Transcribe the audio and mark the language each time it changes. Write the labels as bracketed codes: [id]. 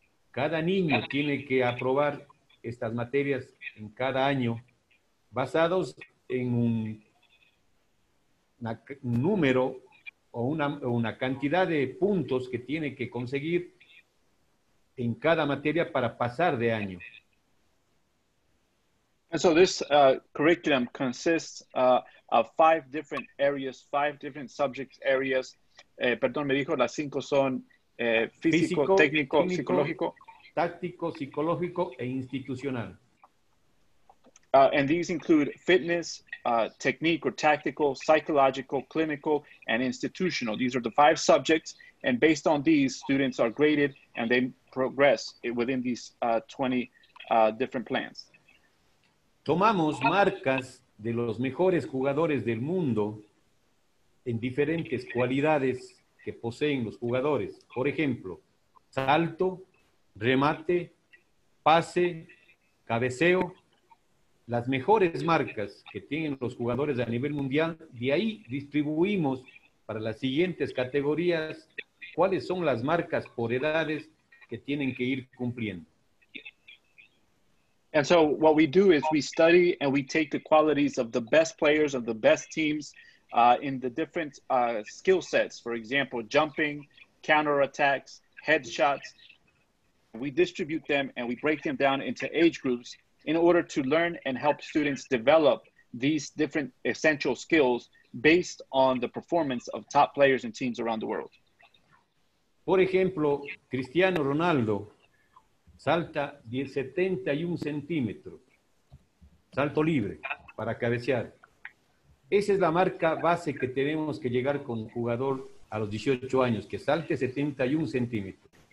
[es] Cada niño tiene que aprobar estas materias en cada año basados en un número o una cantidad de puntos que tiene que conseguir en cada materia para pasar de año. [en] And so this curriculum consists of five different areas, five different subject areas. [es] Me dijo, las cinco son físico, técnico, psicológico. Táctico, psicológico e institucional. [en] And these include fitness, technique or tactical, psychological, clinical, and institutional. These are the five subjects, and based on these, students are graded and they progress within these 20 different plans. [es] Tomamos marcas de los mejores jugadores del mundo en diferentes cualidades que poseen los jugadores. Por ejemplo, salto, remate, pase, cabeceo. Las mejores marcas que tienen los jugadores a nivel mundial, de ahí distribuimos para las siguientes categorías cuáles son las marcas por edades que tienen que ir cumpliendo. [en] And so what we do is we study and we take the qualities of the best players of the best teams in the different skill sets, for example, jumping, counterattacks, headshots. We distribute them and we break them down into age groups in order to learn and help students develop these different essential skills based on the performance of top players and teams around the world. [es] Por ejemplo, Cristiano Ronaldo salta 71 centímetros, salto libre, para cabecear. Esa es la marca base que tenemos que llegar con un jugador a los 18 años, que salte 71 centímetros.